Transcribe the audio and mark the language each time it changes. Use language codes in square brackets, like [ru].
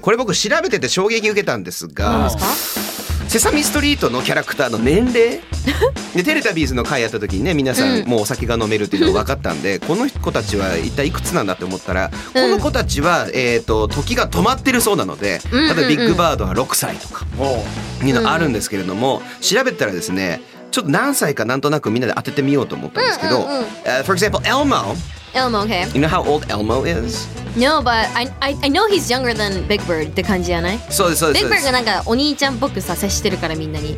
[ja] これ僕調べてて衝撃受けたんですが、セサミストリートのキャラクターの年齢でテレタビーズの回やった時にね、皆さんもうお酒が飲めるっていうのが分かったんで、この子たちは一体いくつなんだって思ったら、この子たちは時が止まってるそうなので、例えばビッグバードは6歳とかいうのあるんですけれども、調べたらですね、ちょっと何歳かなんとなくみんなで当ててみようと思ったんですけど、 [en] For example, [ja] Elmo。 [en] Elmo, okay. You know how old Elmo is? No, but I know he's younger than Big Bird [ja] って感じじゃない？そうですそうです。 Big Bird がなんかお兄ちゃんっぽくさ接してるからみんなに。